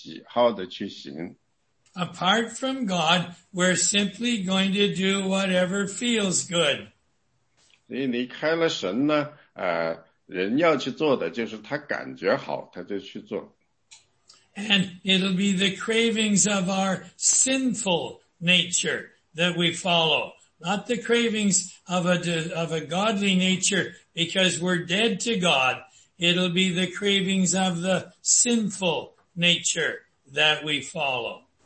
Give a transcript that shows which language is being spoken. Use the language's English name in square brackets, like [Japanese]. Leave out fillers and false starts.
[Chinese] 所以那些自然的人，他们通常在他们做的是什么呢？他们是放纵肉体的私欲，随着肉体和心中所喜好的去行。 [English] Apart from God, we're simply going to do whatever feels good. [Chinese] 所以离开了神呢，人要去做的就是他感觉好，他就去做。 [English] And it'll be the cravings of our sinful nature that we follow, not the cravings of a godly nature, because we're dead to God. It'll be the cravings of the sinful nature that we follow.